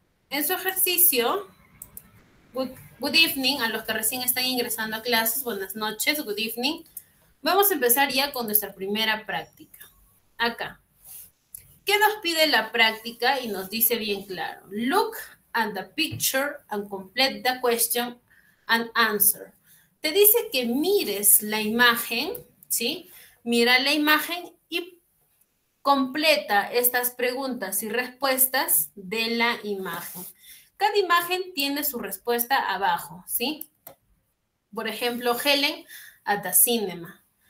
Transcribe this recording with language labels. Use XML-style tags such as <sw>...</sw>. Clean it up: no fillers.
<es>En su ejercicio,</es> <en>good evening,</en> <es>a los que recién están ingresando a clases, buenas noches, good evening. Vamos a empezar ya con nuestra primera práctica. Acá. ¿Qué nos pide la práctica? Y nos dice bien claro.</es> <en>Look at the picture and complete the question and answer.</en> <es>Te dice que mires la imagen, ¿sí? Mira la imagen y completa estas preguntas y respuestas de la imagen. Cada imagen tiene su respuesta abajo, ¿sí? Por ejemplo,</es> <en>Helen at the cinema.</en>